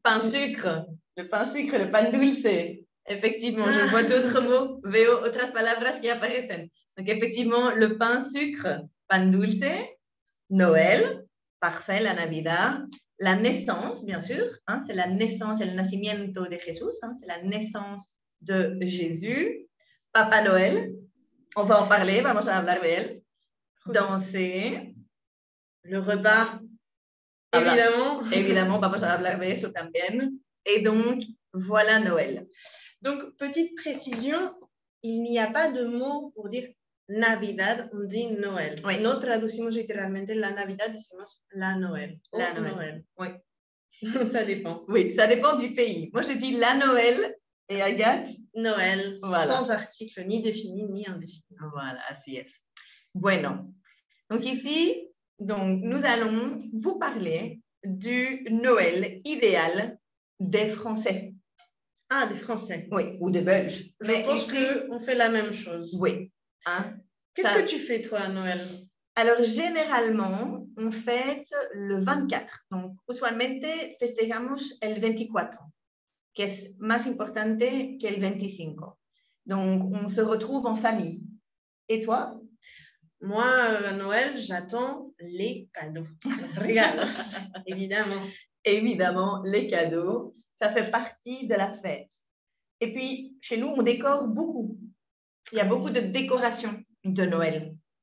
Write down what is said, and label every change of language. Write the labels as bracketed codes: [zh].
[fr] pain sucre, le pain sucre, le pain dulce. Effectivement, je vois d'autres mots, [es] veo otras palabras que aparecen. [fr] Donc, effectivement, le pain sucre, pan dulce, Noël, parfait, la Navidad, la naissance, bien sûr, hein, c'est la naissance, [es] el nacimiento de Jesús, [fr] hein, c'est la naissance de Jésus. Papa Noël, on va en parler, [es] vamos a hablar de él. [fr] Danser, le repas, évidemment. [es] Évidemment, vamos a hablar de eso también. [fr] Et donc, voilà Noël. Donc, petite précision, il n'y a pas de mot pour dire Navidad, on dit Noël. Oui. Nous traduisons littéralement la Navidad, disons la Noël. La Noël. Noël. Oui. Ça dépend. Oui, ça dépend du pays. Moi, je dis la Noël et Agathe. Noël. Voilà. Sans article, ni défini, ni indéfini. [es] Voilà, así es. Bueno. [fr] Donc, ici, donc, nous allons vous parler du Noël idéal des Français. Ah, des Français. Oui, ou des Belges. Je mais pense qu'on fait la même chose. Oui. Hein, qu'est-ce que tu fais, toi, à Noël? Alors, généralement, on fête le 24. [es] Donc, usualmente, festejamos el 24, que es más importante que el 25. [fr] Donc, on se retrouve en famille. Et toi? Moi, à Noël, j'attends les cadeaux. Regarde, évidemment. Évidemment, les cadeaux, ça fait partie de la fête. Et puis, chez nous, on décore beaucoup. Il y a beaucoup de décorations de Noël.